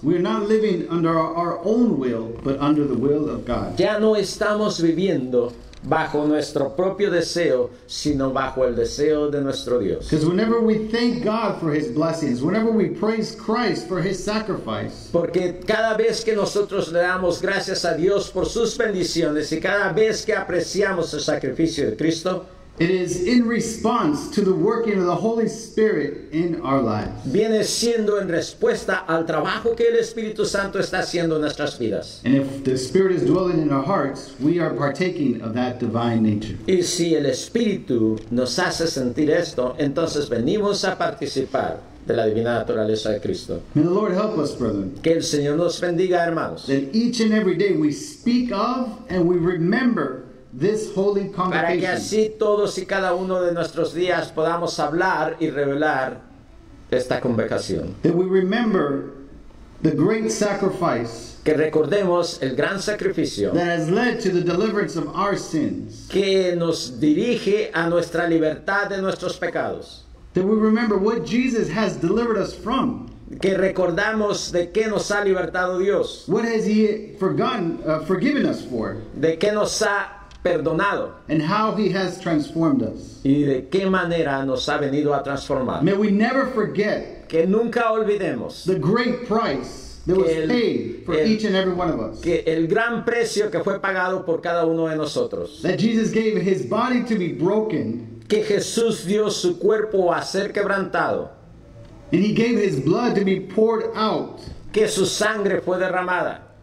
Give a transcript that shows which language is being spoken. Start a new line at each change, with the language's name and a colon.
English: we are not living under our own will, but under the will of God.
Spanish: Ya no estamos viviendo bajo nuestro propio deseo, sino bajo el deseo de nuestro Dios.
English: Because whenever we thank God for his blessings, whenever we praise Christ for his sacrifice,
Spanish: porque cada vez que nosotros le damos gracias a Dios por sus bendiciones y cada vez que apreciamos el sacrificio de Cristo,
English: it is in response to the working of the Holy Spirit in our lives.
Spanish: Viene siendo en respuesta al trabajo que el Espíritu Santo está haciendo en nuestras vidas.
English: And if the Spirit is dwelling in our hearts, we are partaking of that divine nature.
Spanish: Y si el Espíritu nos hace sentir esto, entonces venimos a participar de la divina naturaleza de Cristo.
English: May the Lord help us, brethren.
Spanish: Que el Señor nos bendiga, hermanos.
English: That each and every day we speak of and we remember this holy congregation.
Spanish: Para que así todos y cada uno de nuestros días podamos hablar y revelar esta convocación.
English: That we remember the great sacrifice.
Spanish: Que recordemos el gran sacrificio.
English: That has led to the deliverance of our sins.
Spanish: Que nos dirige a nuestra libertad de nuestros pecados.
English: That we remember what Jesus has delivered us from.
Spanish: Que recordamos de qué nos ha libertado Dios.
English: What has he forgiven us for?
Spanish: De qué nos ha perdonado.
English: And how he has transformed us.
Spanish: Y de qué manera nos ha venido a transformar.
English: May we never forget.
Spanish: Que nunca olvidemos.
English: The great price that was paid for each and every one of us.
Spanish: Que el gran precio que fue pagado por cada uno de nosotros.
English: That Jesus gave his body to be broken.
Spanish: Que Jesús dio su cuerpo a ser quebrantado.
English: And he gave his blood to be poured out.
Spanish: Que su sangre fue derramada.